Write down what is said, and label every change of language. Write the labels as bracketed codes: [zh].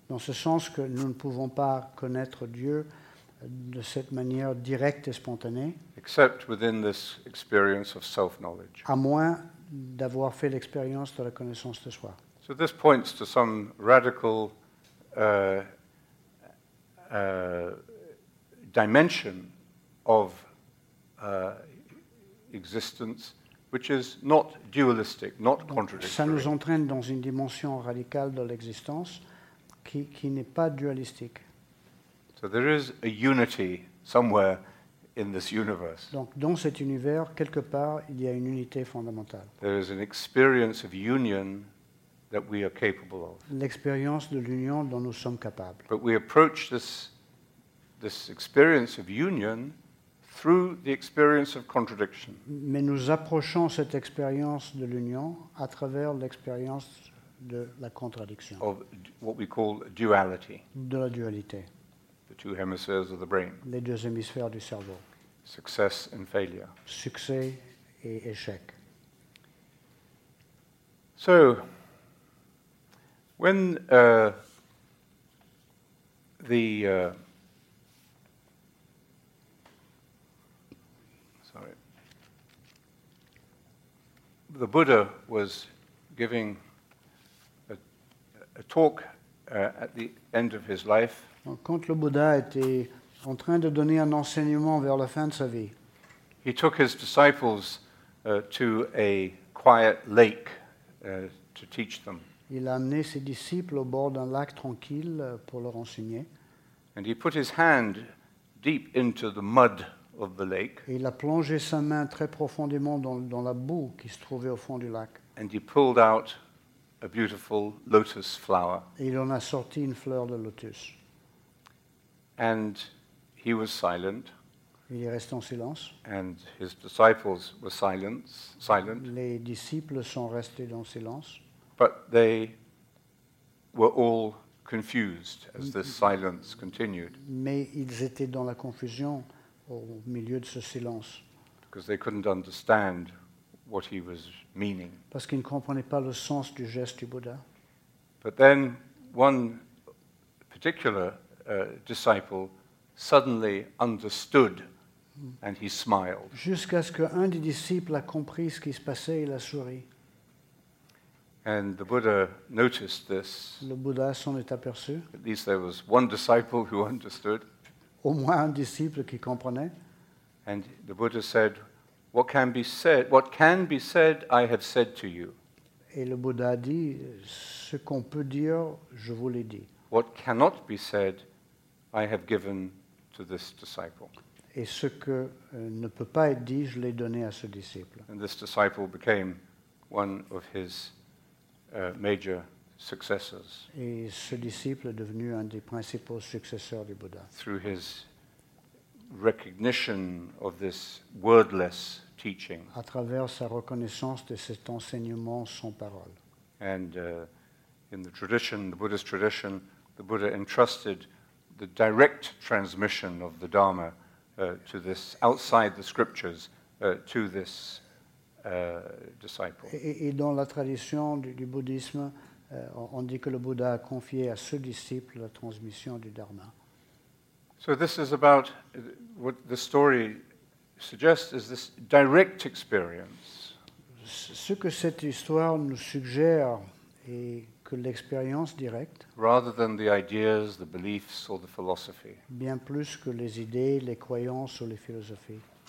[fr] Dans ce sens que nous ne pouvons pas connaître Dieu de cette manière directe et spontanée. [en] Except within this experience of self-knowledge. [fr] À moins d'avoir fait l'expérience de la connaissance de soi. [en] So this points to some radical dimension of existence, which is not dualistic, not contradictory. [fr] Ça nous entraîne dans une dimension radicale de l'existence qui n'est pas dualistique. [en] So there is a unity somewhere in this universe. [fr] Donc, dans cet univers, quelque part, il y a une unité fondamentale. [en] There is an experience of union that we are capable of. [fr] L'expérience de l'union dont nous sommes capables. [en] But we approach this experience of union through the experience of contradiction. [fr] Mais nous approchons cette expérience de l'union à travers l'expérience de la contradiction. [en] Of what we call duality. [fr] De la dualité. [en] The two hemispheres of the brain. [fr] Les deux hémisphères du cerveau. [en] Success and failure. [fr] Succès et échec. [en] So, when the Buddha was giving a talk at the end of his life. [fr] Quand le Bouddha était en train de donner un enseignement vers la fin de sa vie, [en] he took his disciples to a quiet lake to teach them. [fr] Il a amené ses disciples au bord d'un lac tranquille pour leur enseigner. [en] And he put his hand deep into the mud of the lake. [fr] Et il a plongé sa main très profondément dans la boue qui se trouvait au fond du lac. [en] And he pulled out a beautiful lotus flower. [fr] Et il en a sorti une fleur de lotus. [en] And he was silent. [fr] Il est resté en silence. [en] And his disciples were silent. [fr] Les disciples sont restés dans silence. [en] But they were all confused as the silence continued. [fr] Mais ils étaient dans la confusion au milieu de ce silence. [en] Because they couldn't understand what he was meaning. [fr] Parce qu'ils ne comprenaient pas le sens du geste du Bouddha. [en] But then one particular disciple suddenly understood and he smiled. [fr] Jusqu'à ce qu'un des disciples a compris ce qui se passait, il a souri. [en] And the Buddha noticed this. [fr] Le Bouddha s'en est aperçu. [en] At least there was one disciple who understood. [fr] Au moins un disciple qui comprenait. [en] And the Buddha said, What can be said, I have said to you. [fr] Et le Bouddha a dit, ce qu'on peut dire, je vous l'ai dit. [en] What cannot be said, I have given to this disciple. [fr] Et ce que ne peut pas être dit, je l'ai donné à ce disciple. [en] And this disciple became one of his major successors. [fr] Et ce disciple est devenu un des principaux successeurs du Bouddha. [en] Through his recognition of this wordless teaching. [fr] À travers sa reconnaissance de cet enseignement sans parole. [en] And in the tradition, the Buddhist tradition, the Buddha entrusted the direct transmission of the Dharma to this outside the scriptures to this disciple. [fr] Et dans la tradition du bouddhisme, on dit que le Bouddha a confié à ce disciple la transmission du Dharma. [en] So this is about what the story suggests is this direct experience. [fr] Ce que cette histoire nous suggère est que l'expérience directe, [en] rather than the ideas, the beliefs or the philosophy, [fr] bien plus que les idées, les croyances ou les philosophies.